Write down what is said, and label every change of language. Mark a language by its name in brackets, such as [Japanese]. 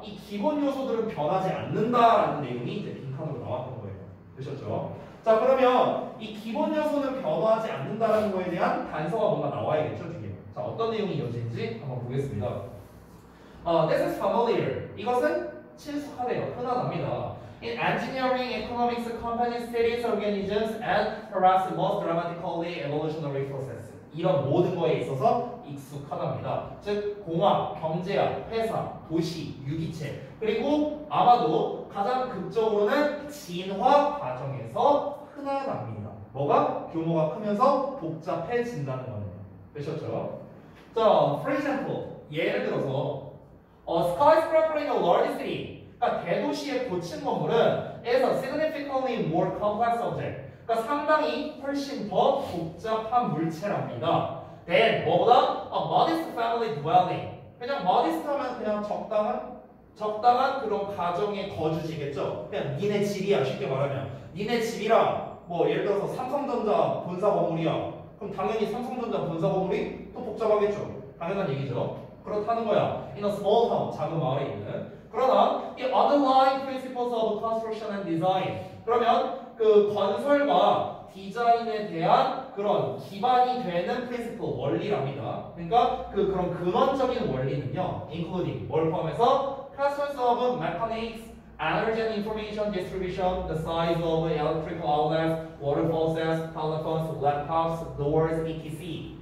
[Korean] 이 기본 요소들은 변하지 않는다라는 내용이 이제 빈칸으로 나왔던 거예요. 되셨죠? 자 그러면 이 기본 요소는 변화하지 않는다라는 거에 대한 단서가 뭔가 나와야겠죠, 뒤에. 자 어떤 내용이 이어지는지 한번 보겠습니다. [English] This is familiar. [Korean] 이것은 친숙하대요. 흔하답니다. [English] In engineering, economics, companies, cities, organisms, and perhaps most dramatically, evolutionary process. [Korean] 이런 모든 거에 있어서 익숙하답니다. 즉, 공학, 경제학, 회사, 도시, 유기체, 그리고 아마도 가장 극적으로는 진화 과정에서 흔하답니다. 뭐가? 규모가 크면서 복잡해진다는 거네요. 되셨죠? [English] 자, for example, [Korean] 예를 들어서 [English] A skyscraper in a large city. [Korean] 그러니까 대도시의 고층 건물은 [English] is a significantly more complex object. [Korean] 그러니까 상당히 훨씬 더 복잡한 물체랍니다. [English] Then [Korean] 뭐보다 [English] a modest family dwelling. [Korean] 그냥 modest 하면 그냥 적당한 그런 가정의 거주지겠죠. 그냥 니네 집이야 쉽게 말하면 니네 집이랑 뭐 예를 들어서 삼성전자 본사 건물이야. 그럼 당연히 삼성전자 본사 건물이 또 복잡하겠죠. 당연한 얘기죠. 그렇다는 거야. [English] In a small town, [Korean] 작은 마을에 있는. [English] 그러나 the underlying principles of construction and design. [Korean] 그러면 그 건설과 디자인에 대한 그런 기반이 되는 principle, 원리랍니다. 그러니까 그 그런 근원적인 원리는요. [English] Including, [Korean] 뭘 포함해서? [English] Principles of mechanics, energy and information distribution, the size of electrical outlets, water faucets, telephones, laptops, doors, etc.